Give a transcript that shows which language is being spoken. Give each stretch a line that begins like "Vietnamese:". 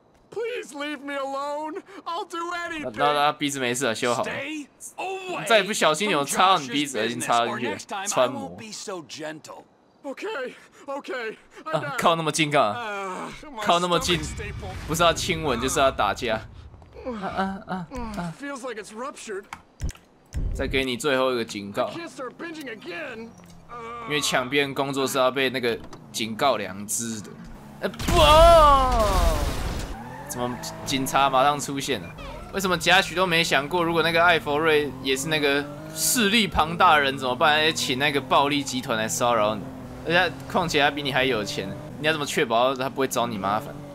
English: Please leave me alone. I'll do anything.
Chinese: 那他鼻子没事了，修好了。再不小心有插到你鼻子，已经插进去，穿膜。
English: Okay, okay.
Chinese: 靠那么近干嘛？靠那么近，不是要亲吻，就是要打架。
English: Feels like it's ruptured.
Chinese: 再给你最后一个警告。
English: I can't start binging again.
Chinese: 因为抢别人工作是要被那个警告两字的。不、哦！怎么警察马上出现了？为什么贾诩都没想过，如果那个艾佛瑞也是那个势力庞大的人怎么办？要请那个暴力集团来骚扰你，而且况且他比你还有钱，你要怎么确保他不会找你麻烦？